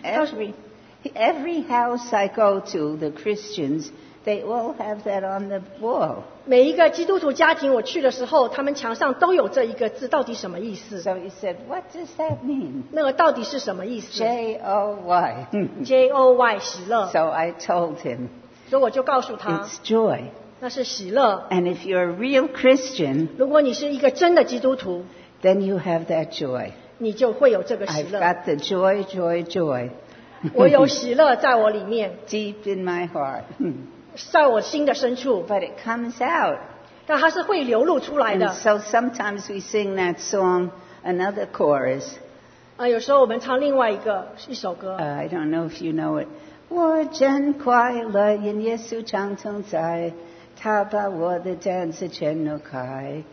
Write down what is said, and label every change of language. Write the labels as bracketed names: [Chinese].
[English] Every house I go to, the Christians, they all have that on the wall. [Chinese] 每一个基督徒家庭我去的时候，他们墙上都有这一个字，到底什么意思？ [English] So he said, what does that mean? [Chinese] 那个到底是什么意思？ [English] J-O-Y. [Chinese] J-O-Y, 喜乐。 [English] So I told him. [Chinese] 所以我就告诉他 [English] It's joy. [Chinese] 那是喜乐。 [English] And if you're a real Christian, [Chinese] 如果你是一个真的基督徒 [English] then you have that joy. [Chinese] 你就会有这个喜乐。 [English] I've got the joy, joy, joy. [Chinese] 我有喜乐在我里面。 [English] Deep in my heart. [Chinese] 在我心的深处。 [English] But it comes out. [Chinese] 但它是会流露出来的。 [English] And so sometimes we sing that song, another chorus. [Chinese] 有时候我们唱另外一首歌。 [English] I don't know if you know it. [Chinese] 我真快乐，因耶稣常同在，他把我的担子全挪开。